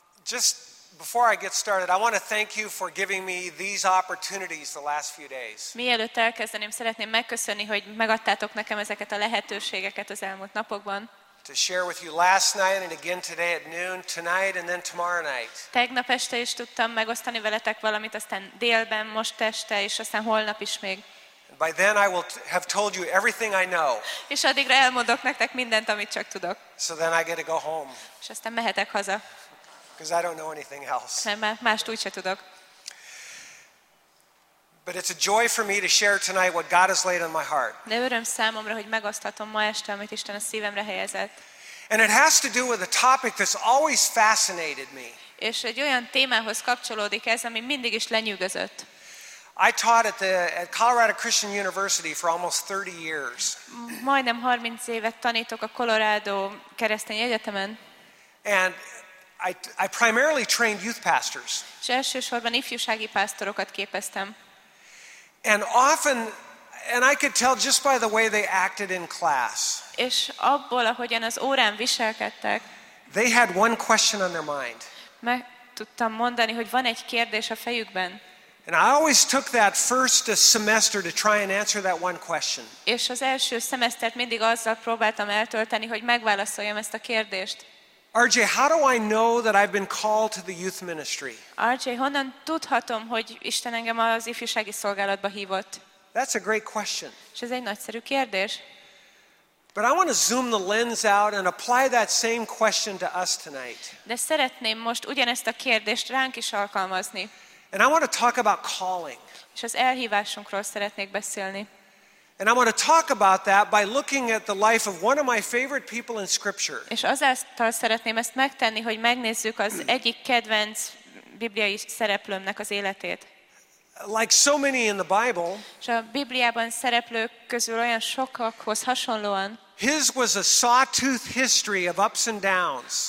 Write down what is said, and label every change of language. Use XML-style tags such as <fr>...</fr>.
<en>Just before I get started, I want to thank you for giving me these opportunities the last few days.</en> <hu>Mielőtt elkezdeném, szeretném megköszönni, hogy megadtátok nekem ezeket a lehetőségeket az elmúlt napokban.</hu> <en>To share with you last night and again today at noon, tonight and then tomorrow night.</en> <hu>Tegnap este is tudtam megosztani veletek valamit, aztán délben, most este és aztán holnap is még.</hu> <en>By then I will have told you everything I know.</en> <hu>És addigra elmondok nektek mindent, amit csak tudok.</hu> <en>So then I get to go home.</en> <hu>És aztán mehetek haza.</hu> <en>Because I don't know anything else.</en> <hu>Nem, mást úgyse tudok.</hu> <en>But it's a joy for me to share tonight what God has laid on my heart.</en> <hu>De öröm számomra, hogy megoszthatom ma este, amit Isten a szívemre helyezett.</hu> <en>And it has to do with a topic that's always fascinated me.</en> <hu>És egy olyan témához kapcsolódik ez, ami mindig is lenyűgözött.</hu> <en>I taught at Colorado Christian University for almost 30 years.</en> <hu>Majdnem 30 évet tanítok a Colorado Keresztény Egyetemen.</hu> <en>And I primarily trained youth pastors.</en> <hu>És elsősorban ifjúsági pásztorokat képeztem.</hu> <en>And often, and I could tell just by the way they acted in class.</en> <hu>És abból, ahogyan az órán viselkedtek.</hu> <en>They had one question on their mind.</en> <hu>Meg tudtam mondani, hogy van egy kérdés a fejükben.</hu> <en>And I always took that first semester to try and answer that one question.</en> <hu>És az első szemesztert mindig azzal próbáltam eltölteni, hogy megválaszoljam ezt a kérdést.</hu> <en>RJ, how do I know that I've been called to the youth ministry?</en> <hu>RJ, honnan tudhatom, hogy Isten engem az ifjúsági szolgálatba hívott?</hu> <en>That's a great question.</en> <hu>És ez egy nagyszerű kérdés.</hu> <en>But I want to zoom the lens out and apply that same question to us tonight.</en> <hu>De szeretném most ugyanezt a kérdést ránk is alkalmazni.</hu> <en>And I want to talk about calling.</en> <hu>És az elhívásunkról szeretnék beszélni.</hu> <en>And I want to talk about that by looking at the life of one of my favorite people in Scripture.</en> <hu>És azáltal szeretném ezt megtenni, hogy megnézzük az egyik kedvenc bibliai szereplőmnek az életét.</hu> <en>Like so many in the Bible.</en> <hu>És a Bibliában szereplők közül olyan sokakhoz hasonlóan.</hu> <en>His was a sawtooth history of ups and downs.</en>